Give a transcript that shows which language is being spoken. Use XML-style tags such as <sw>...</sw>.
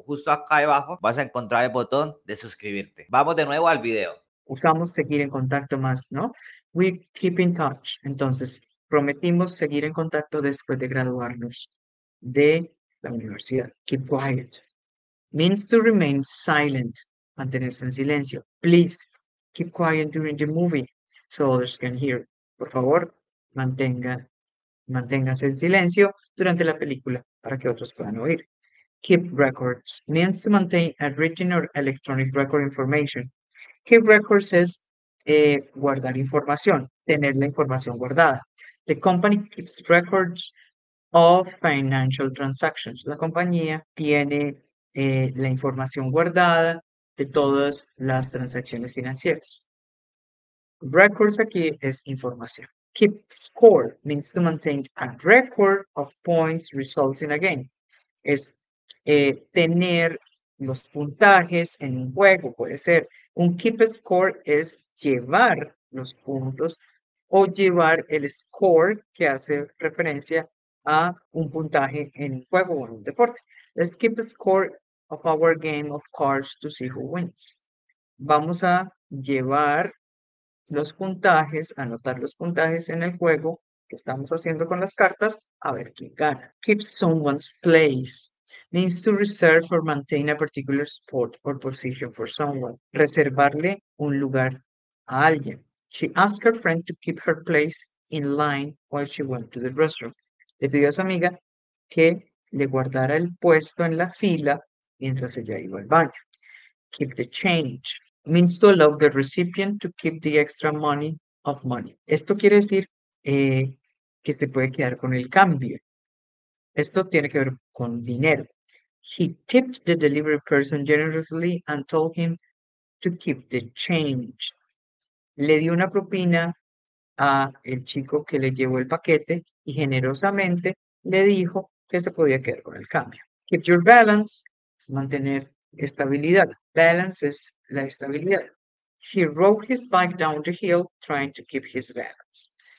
<es>Justo acá abajo vas a encontrar el botón de suscribirte. Vamos de nuevo al video. Usamos seguir en contacto más, ¿no?</es> <en>We keep in touch.</en> <es>Entonces, prometimos seguir en contacto después de graduarnos de la universidad.</es> <en>Keep quiet. Means to remain silent.</en> <es>Mantenerse en silencio.</es> <en>Please, keep quiet during the movie so others can hear.</en> <es>Por favor, manténgase en silencio durante la película para que otros puedan oír.</es> <en>Keep records. Means to maintain a written or electronic record information. Keep records es</en> <es>guardar información, tener la información guardada.</es> <en>The company keeps records of financial transactions.</en> <es>La compañía tiene la información guardada de todas las transacciones financieras. Records aquí es información.</es> <en>Keep score means to maintain a record of points results in a game.</en> <es>Es tener los puntajes en un juego, puede ser. Un keep score es llevar los puntos o llevar el score que hace referencia a un puntaje en un juego o en un deporte.</es> <en>Let's keep score of our game of cards to see who wins.</en> <es>Vamos a llevar los puntajes, anotar los puntajes en el juego que estamos haciendo con las cartas, a ver quién gana.</es> <en>Keep someone's place means to reserve or maintain a particular spot or position for someone.</en> <es>Reservarle un lugar a alguien.</es> <en>She asked her friend to keep her place in line while she went to the restroom.</en> <es>Le pidió a su amiga que le guardara el puesto en la fila mientras ella iba al baño.</es> <en>Keep the change means to allow the recipient to keep the extra money of money.</en> <es>Esto quiere decir que se puede quedar con el cambio. Esto tiene que ver con dinero.</es> <en>He tipped the delivery person generously and told him to keep the change.</en> <es>Le dio una propina a el chico que le llevó el paquete y generosamente le dijo que se podía quedar con el cambio.</es> <en>Keep your balance</en> <es>es mantener estabilidad. Balance es la estabilidad.</es> <en>He rode his bike down the hill trying to keep his balance.</en>